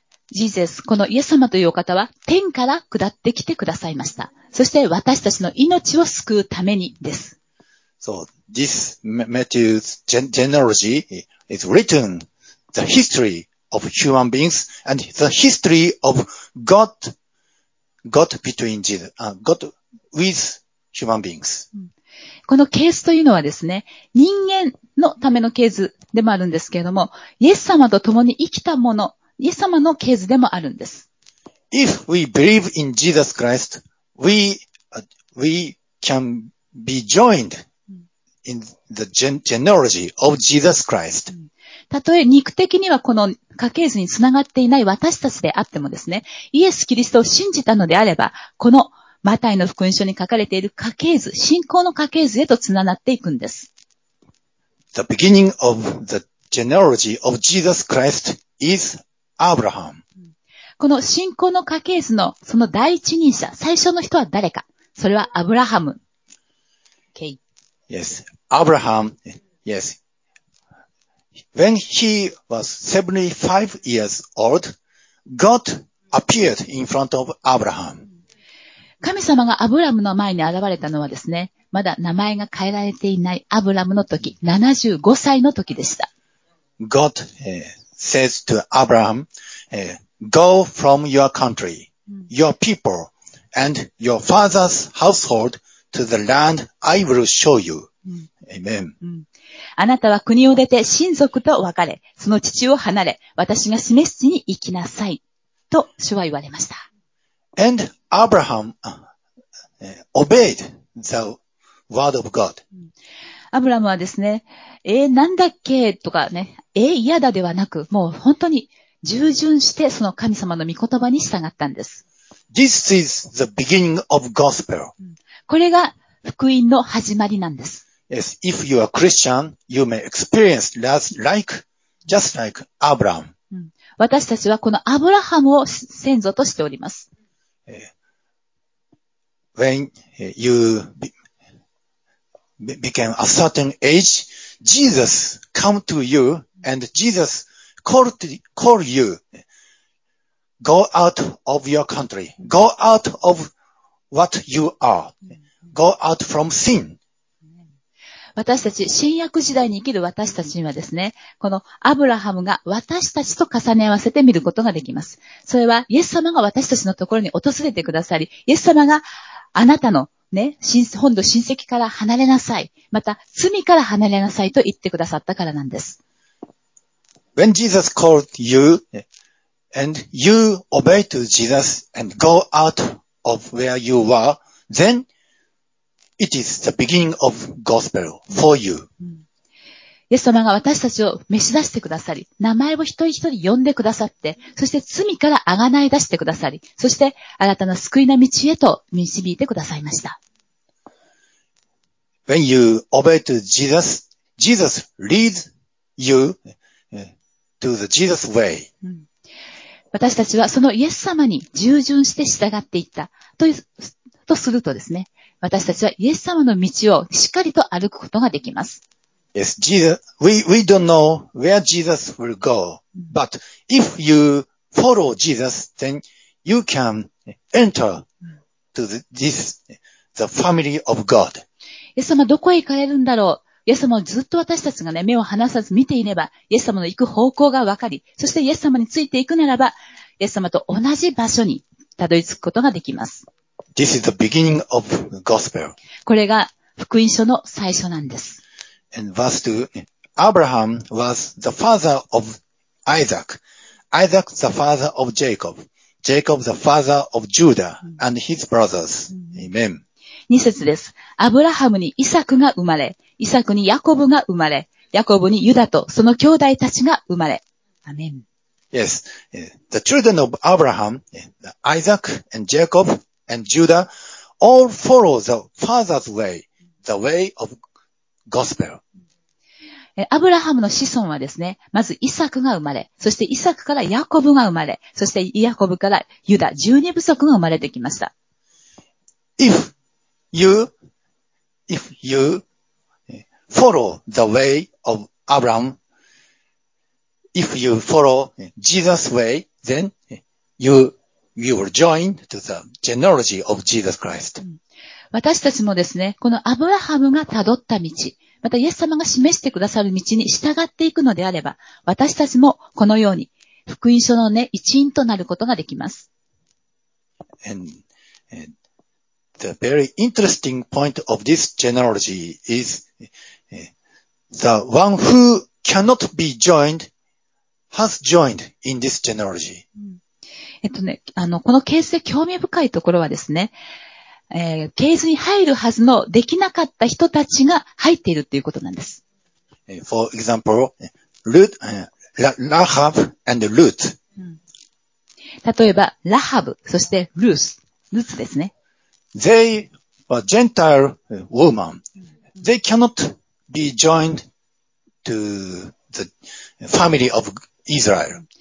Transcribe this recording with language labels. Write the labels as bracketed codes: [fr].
[ja] ジーゼス、このイエス様というお方は天から下ってきてくださいました。そして私たちの命を救うためにです。 [en] So, this Matthew's genealogy is written the history of human beings and the history of God, God between Jesus, God with human beings. [ja] このケースというのはですね、人間のためのケースでもあるんですけれども、イエス様と共に生きたもの、イエス様のケースでもあるんです。 [en] If we believe in Jesus Christ, we can be joined in the genealogy of Jesus Christ. [ja] たとえ肉的にはこの家系図につながっていない私たちであってもですね、イエス・キリストを信じたのであれば、このマタイの福音書に書かれている家系図、信仰の家系図へとつながっていくんです。 [en] The beginning of the genealogy of Jesus Christ is Abraham. [ja] この信仰の家系図のその第一人者、最初の人は誰か。それはアブラハム。Okay. [en] Yes, Abraham, yes. When he was 75 years old, God appeared in front of Abraham. [ja] 神様がアブラムの前に現れたのはですね、まだ名前が変えられていないアブラムの時、75歳の時でした。 [en] God, says to Abraham, go from your country, your people, and your father's household to the land I will show you. Amen.、うん、 [ja] あなたは国を出て親族と別れ、その父を離れ、私が示す地に行きなさい。と主は言われました。 [en] And Abraham, obeyed the word of God.、うん、 [ja] アブラムはですね、なんだっけとかね、嫌だではなく、もう本当に従順してその神様の御言葉に従ったんです。 [en] This is the beginning of gospel. [ja] これが福音の始まりなんです。 [en] Yes, if you are Christian, you may experience just like Abraham. [ja] 私たちはこのアブラハムを先祖としております。 [en] When you became a certain age, Jesus come to you and Jesus call you. Go out of your country. Go out of what you are. Go out from sin. [ja] 私たち、新約時代に生きる私たちにはですね、このアブラハムが私たちと重ね合わせて見ることができます。それは、イエス様が私たちのところに訪れてくださり、イエス様があなたのね、本土親戚から離れなさい、また罪から離れなさいと言ってくださったからなんです。 [en] When Jesus called you,And you obey to Jesus and go out of where you were, then it is the beginning of gospel for you. [ja] イエス様が私たちを召し出してくださり、名前を一人一人呼んでくださって、そして罪から贖い出してくださり、そして新たな救いの道へと導いてくださいました。 [en] When you obey to Jesus, Jesus leads you to the Jesus way. [ja] 私たちはそのイエス様に従順して従っていったとするとですね、私たちはイエス様の道をしっかりと歩くことができます。 [en] Yes, Jesus, we don't know where Jesus will go, but if you follow Jesus, then you can enter to the family of God. [ja] イエス様どこへ行かれるんだろう?イエス様をずっと私たちがね、目を離さず見ていれば、イエス様の行く方向が分かり、そしてイエス様についていくならば、イエス様と同じ場所にたどり着くことができます。 [en] This is the beginning of gospel. [ja] これが福音書の最初なんです。 [en] And verse 2, Abraham was the father of Isaac. Isaac the father of Jacob. Jacob the father of Judah and his brothers. Amen. [ja] 二節です。アブラハムにイサクが生まれ、イサクにヤコブが生まれ、ヤコブにユダとその兄弟たちが生まれ。アメン。 [en] Yes, the children of Abraham, Isaac and Jacob and Judah all follow the father's way, the way of gospel. [ja] アブラハムの子孫はですね、まずイサクが生まれ、そしてイサクからヤコブが生まれ、そしてヤコブからユダ、十二部族が生まれてきました。 [en] If you follow the way of Abraham, if you follow Jesus' way, then you will join to the genealogy of Jesus Christ. [ja] 私たちもですね、このアブラハムが辿った道、またイエス様が示してくださる道に従っていくのであれば、私たちもこのように福音書のね、一員となることができます。 [en] And The very interesting point of this genealogy is the one who cannot be joined has joined in this genealogy. [ja] このケースで興味深いところはですね、ケースに入るはずのできなかった人たちが入っているということなんです。 [en] For example, Ruth, Rahab and Ruth. [ja] 例えば、ラハブ、そしてルース、ルーツですね。 [en] They were Gentile woman. They cannot be joined to the family of Israel.